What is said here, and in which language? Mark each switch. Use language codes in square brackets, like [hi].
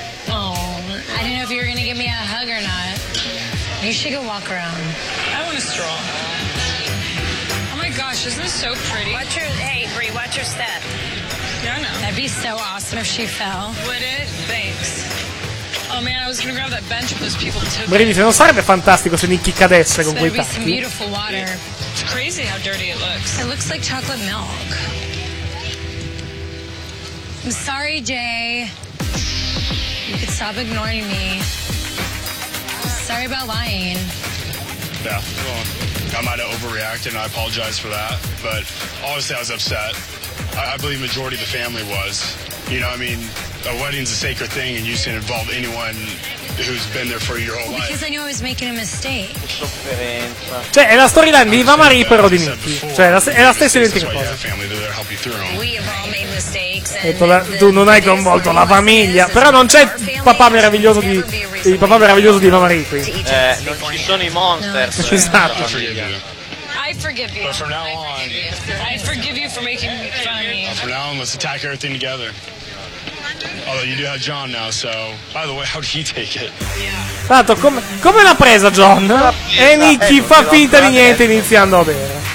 [en] Oh, I don't know if you're gonna give me a hug or not. You should go walk around. I want a straw. Oh my gosh, isn't this so pretty? Watch your, hey Bri, watch your step. Yeah, I know. That'd be so awesome if she fell. Would it? Thanks. Oh man, I was gonna grab that bench with those people took. [it] Bri dice, non sarebbe fantastico se Nicky cadesse con quei tacchi? [en] Some beautiful water. It's crazy how dirty it looks. It looks like chocolate milk. I'm sorry, Jay. You could stop ignoring me. Sorry about lying. Yeah, well, I might have overreacted and I apologize for that. But honestly, I was upset. I believe majority of the family was. You know, I mean, a wedding's a sacred thing and you shouldn't involve anyone who's been there for your whole life. Because I knew I was making a mistake. [it] Cioè, è la storyline di Eva Marie, però di Nicky. Cioè, è la stessa identica cosa. Tu non hai coinvolto la famiglia. Però non c'è il papà meraviglioso di. Il papà meraviglioso di Eva Marie qui. Non ci sono i monsters. Esatto. [en] I forgive you. But from now on, I forgive you for making fun of me. From now on, let's attack everything together. Although you do have John now, so by the way, how did he take it? [it] Tanto come l'ha presa John? E Nicky fa finta di niente iniziando a bere.